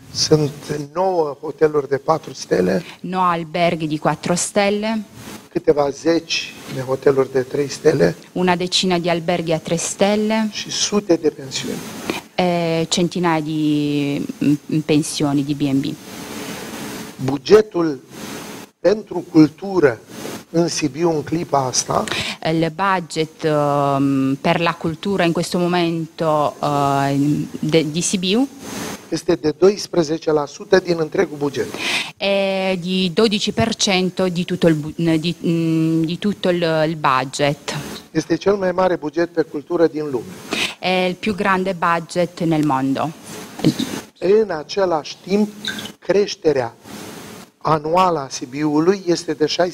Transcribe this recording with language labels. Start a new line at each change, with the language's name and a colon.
Romanian: Sunt 9 hoteluri de 4 stelle.
Italian: 9 alberghi di 4 stelle.
Romanian: Câteva zeci de hoteluri de 3 stele.
Italian: Una decina di alberghi a 3 stelle.
Romanian: Și sute de pensiuni.
Italian: Centinaia di pensioni di B&B.
Romanian: Bugetul pentru cultură în Sibiu în clipa asta.
Italian: Il budget per la cultura in questo momento di Sibiu
Romanian: este de 12% din întregul buget.
Italian: E di 12% di tutto il budget.
Romanian: Este cel mai mare buget pe cultură din lume.
Italian: È il più grande budget nel mondo.
Romanian: În același timp, creșterea anuala Sibiului este de 16%.